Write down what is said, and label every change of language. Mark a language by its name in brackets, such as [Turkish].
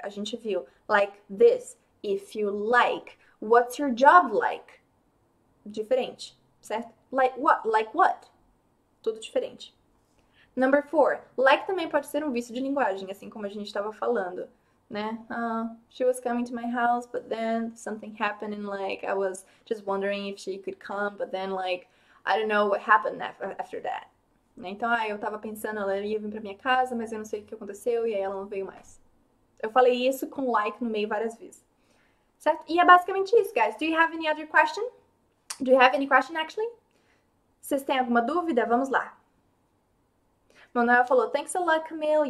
[Portuguese] A gente viu [English] like this. If you like, what's your job like? [Portuguese] Diferente, certo? [English] Like what? [Portuguese] Tudo diferente. Number four, like também pode ser um vício de linguagem, assim como a gente estava falando, né? [English] She was coming to my house, but then something happened, and like I was just wondering if she could come, but then like I don't know what happened after that. [Portuguese] Né? Então, eu estava pensando, ela ia vir para minha casa, mas eu não sei o que aconteceu e aí ela não veio mais. Eu falei isso com like no meio várias vezes. Certo? E é basicamente isso, [English] guys. Do you have any other question? Do you have any question, actually? [Portuguese] Vocês têm alguma dúvida? Vamos lá. Manuel falou, [English] thanks a lot, [Portuguese] Camille.